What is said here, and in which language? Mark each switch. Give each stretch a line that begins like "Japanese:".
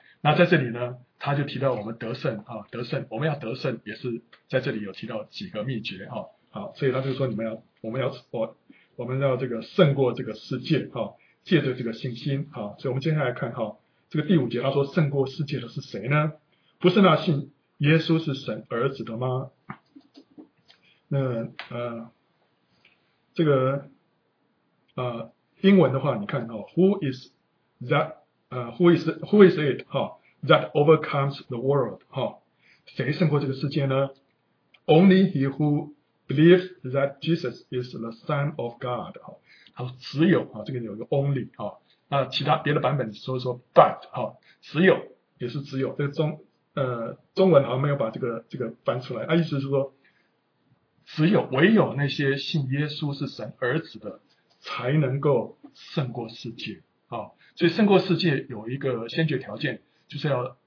Chinese: 那在这里呢他就提到我们得胜，得胜我们要得胜也是在这里有提到几个秘诀。好，所以他就说你们要我们要这个胜过这个世界，借着这个信心。所以我们接下来看，这个第5节他说胜过世界的是谁呢？不是那信耶稣是神儿子的吗？那这个英文的话你看，
English: Who is it that overcomes the world ?
Chinese: 谁胜过这个世界呢？
English: Only he who believes that Jesus is the Son of God .
Chinese: 他说只有，这个有一个 only ，那其他别的版本说说 but ，只有也是只有，这个 中文好像没有把这个翻出来，那意思是说只有唯有那些信耶稣是神儿子的才能够胜过世界，所以胜过世界有一个先决条件，就是要